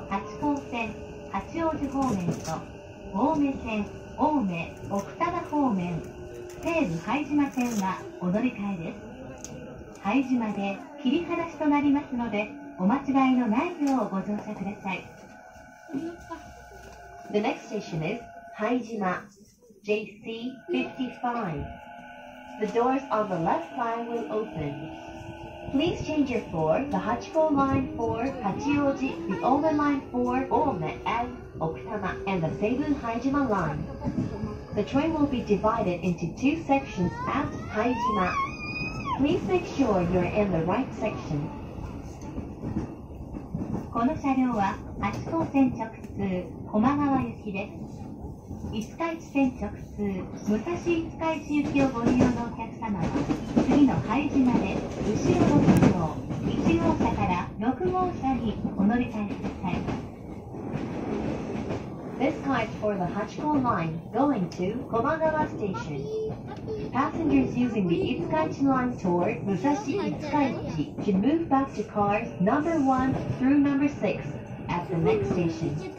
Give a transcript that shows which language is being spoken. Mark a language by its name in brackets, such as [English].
[Japanese] 八高線、八王子方面と青梅線、青梅、奥多摩方面、西武拝島線はお乗り換えです。拝島で切り離しとなりますので、お間違いのないようご乗車ください。 [English] The next station is 拝島 JC 55. The doors on the left side will open. Please change your floor, the Hachiko line for 八王子, the Ome line for 青梅 and 奥多摩, and the Seibu 拝島 line. The train will be divided into two sections at 拝島. Please make sure you're in the right section. [Japanese] この車両は八高線直通駒川行きです。五日市線直通武蔵五日市行きをご利用のお客様は次の拝島で後ろの車両1号車から6号車にお乗り換えください。 [English] This car is for the Hachiko line going to Komagawa Station. Passengers using the Itsukaichi line toward Musashi Itsukaichi can move back to cars number 1 through number 6 at the next station.